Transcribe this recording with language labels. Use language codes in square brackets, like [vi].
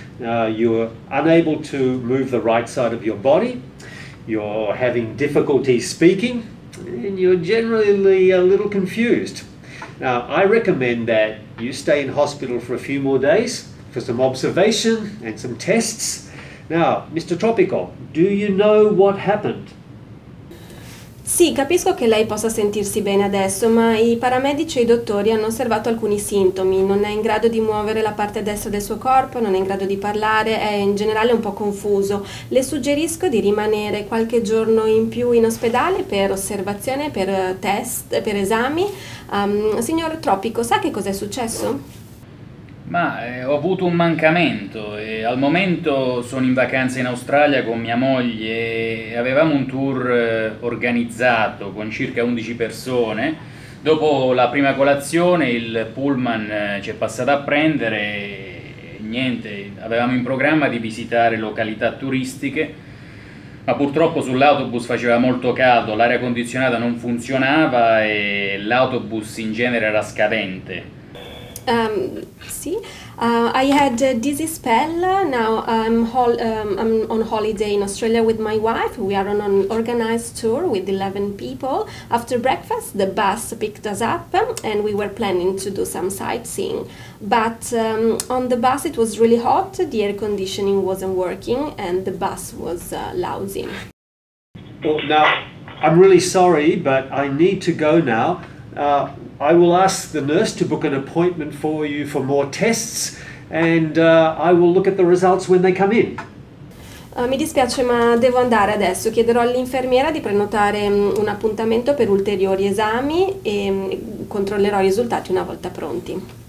[en] You're unable to move the right side of your body. You're having difficulty speaking. And you're generally a little confused. Now, I recommend that you stay in hospital for a few more days for some observation and some tests. Now, Mr. Tropico, do you know what happened? [it] Sì, capisco che lei possa sentirsi bene adesso, ma i paramedici e i dottori hanno osservato alcuni sintomi. Non è in grado di muovere la parte destra del suo corpo, non è in grado di parlare, è in generale un po' confuso. Le suggerisco di rimanere qualche giorno in più in ospedale per osservazione, per test, per esami. Signor Tropico, sa che cos'è successo? Ho avuto un mancamento e al momento sono in vacanza in Australia con mia moglie e avevamo un tour organizzato con circa 11 persone. Dopo la prima colazione il pullman ci è passato a prendere e niente, avevamo in programma di visitare località turistiche, ma purtroppo sull'autobus faceva molto caldo, l'aria condizionata non funzionava e l'autobus in genere era scadente. [en] I had a dizzy spell. Now I'm on holiday in Australia with my wife. We are on an organized tour with 11 people. After breakfast, the bus picked us up and we were planning to do some sightseeing. But on the bus it was really hot, the air conditioning wasn't working and the bus was lousy. Well, now, I'm really sorry, but I need to go now. I will ask the nurse to book an appointment for you for more tests and I will look at the results when they come in. [it] Mi dispiace, ma devo andare adesso. Chiederò all'infermiera di prenotare un appuntamento per ulteriori esami e controllerò i risultati una volta pronti.